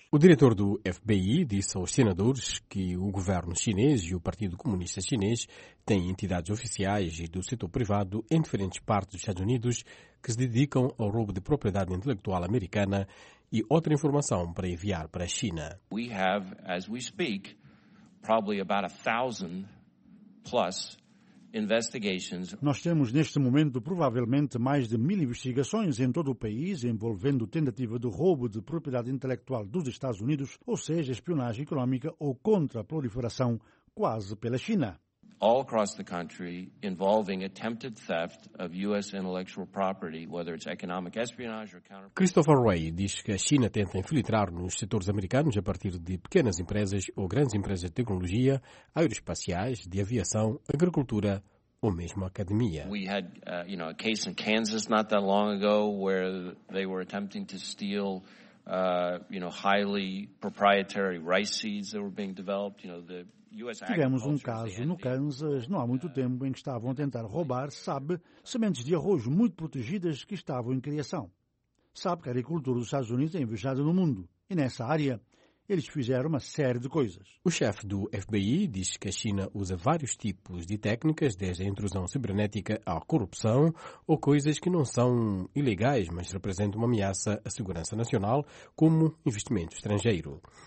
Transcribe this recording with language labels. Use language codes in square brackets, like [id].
[pt] O diretor do FBI disse aos senadores que o governo chinês e o Partido Comunista Chinês têm entidades oficiais e do setor privado em diferentes partes dos Estados Unidos que se dedicam ao roubo de propriedade intelectual americana e outra informação para enviar para a China. [en] We have, as we speak, probably about 1,000 plus investigations. [pt] Nós temos neste momento provavelmente mais de 1,000 investigações em todo o país envolvendo tentativa de roubo de propriedade intelectual dos Estados Unidos, ou seja, espionagem económica ou contra a proliferação quase pela China. [en] All across the country, involving attempted theft of U.S. intellectual property, whether it's economic espionage or counterfeiting. [pt] Christopher Ray diz que a China tenta infiltrar nos setores americanos a partir de pequenas empresas ou grandes empresas de tecnologia, aeroespaciais, de aviação, agricultura ou mesmo academia. [en] We had, you know, a case in Kansas not that long ago where they were attempting to steal highly proprietary rice seeds that were being developed, [pt] Tivemos um caso no Kansas, não há muito tempo, em que estavam a tentar roubar, sabe, sementes de arroz muito protegidas que estavam em criação. Sabe que a agricultura dos Estados Unidos é invejada no mundo, e nessa área eles fizeram uma série de coisas. O chefe do FBI diz que a China usa vários tipos de técnicas, desde a intrusão cibernética à corrupção, ou coisas que não são ilegais, mas representam uma ameaça à segurança nacional, como investimento estrangeiro.